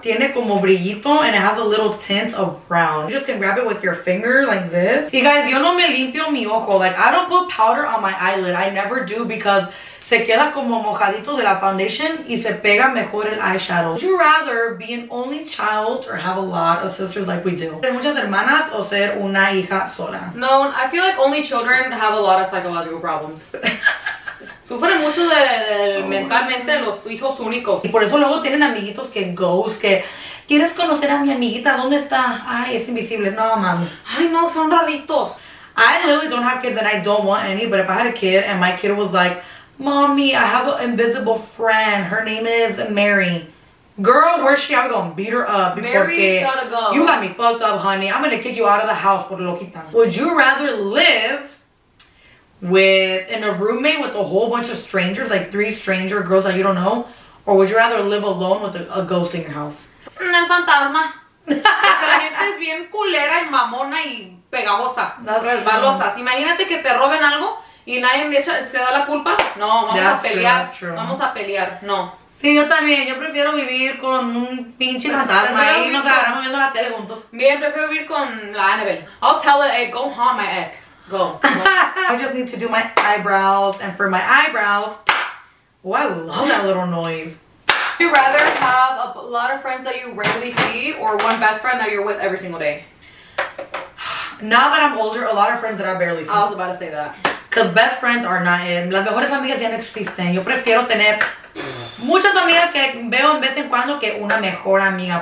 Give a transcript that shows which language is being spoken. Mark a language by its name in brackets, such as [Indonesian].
[Spanish] Tiene como brillito [English] and it has a little tint of brown. You just can grab it with your finger like this. You guys, [Spanish] yo no me limpio mi ojo. [English] Like, I don't put powder on my eyelid. I never do because [Spanish] se queda como mojadito de la foundation y se pega mejor el eyeshadow. [English] Would you rather be an only child or have a lot of sisters like we do? [Spanish] ¿Ser muchas hermanas o ser una hija sola? [English] No, I feel like only children have a lot of psychological problems. [Spanish] Sufren mucho mentalmente los hijos únicos. Y por eso luego tienen amiguitos que ghost, que... ¿Quieres conocer a mi amiguita? ¿Dónde está? Ay, es invisible. No, mami. Ay, no, son raritos. [English] I literally don't have kids and I don't want any, but if I had a kid and my kid was like, mommy, I have an invisible friend. Her name is Mary. Girl, where's she? I'm gonna beat her up. Mary's gotta go. You got me fucked up, honey. I'm gonna kick you out of the house, [Spanish] por loquita. [English] Would you rather live with in a roommate with a whole bunch of strangers, like three stranger girls that you don't know? Or would you rather live alone with a ghost in your house? [Spanish] Un fantasma. Porque la gente es bien culera y mamona y pegajosa. Resbalosa. Imagínate que te roben algo. Y nadie se da la culpa. No, vamos a pelear. [English] That's true. [Spanish] Vamos a pelear. No. Sí, yo también. Yo prefiero vivir con un pinche fantasma. Ahí nos agarramos viendo la tele juntos. Bien, prefiero vivir con la Annabelle. [English] I'll tell it, hey, go haunt my ex. Go. I just need to do my eyebrows. And for my eyebrows. Oh, I love that little noise. Would you rather have a lot of friends that you rarely see or one best friend that you're with every single day? Now that I'm older, a lot of friends that I barely see. I was about to say that. Because best friends are not it. [Spanish] Las mejores amigas ya no existen. Yo prefiero tener muchas amigas que veo de vez en cuando que una mejor amiga.